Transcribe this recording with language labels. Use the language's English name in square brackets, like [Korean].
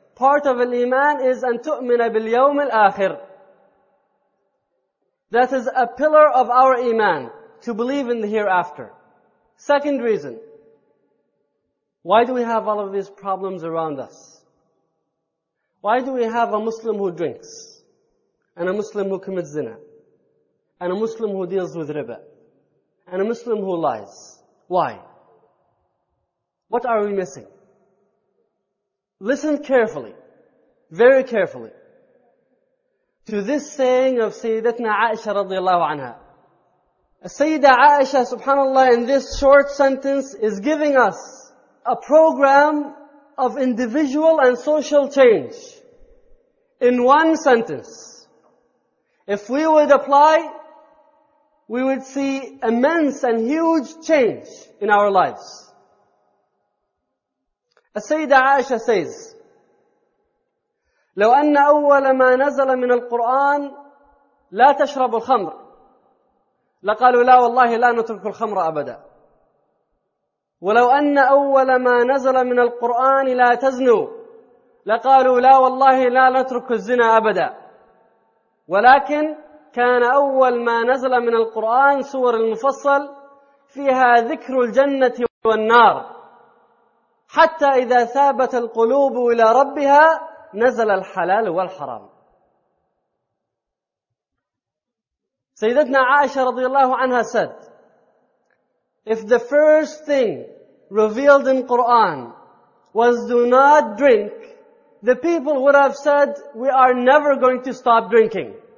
[English] Part of al-Iman is [Arabic] أن تؤمن باليوم الآخر. [English] That is a pillar of our Iman, to believe in the hereafter. Second reason, why do we have all of these problems around us? Why do we have a Muslim who drinks, and a Muslim who commits zina, and a Muslim who deals with riba, and a Muslim who lies? Why? What are we missing? Listen carefully, very carefully, to this saying of Sayyidatina Aisha radiallahu anha. Sayyida Aisha, subhanAllah, in this short sentence is giving us a program of individual and social change in one sentence. If we would apply, we would see immense and huge change in our lives. Sayyida Aisha says, [Arabic] لو أن أول ما نزل من القرآن لا تشرب الخمر لقالوا لا والله لا نترك الخمر أبدا ولو أن أول ما نزل من القرآن لا تزنوا لقالوا لا والله لا نترك الزنا أبدا ولكن كان أول ما نزل من القرآن سور المفصل فيها ذكر الجنة والنار حتى إذا ثابت القلوب إلى ربها نزل الحلال والحرام. سيدتنا عائشة رضي الله عنها [English] said, if the first thing revealed in Quran was do not drink, the people would have said, we are never going to stop drinking.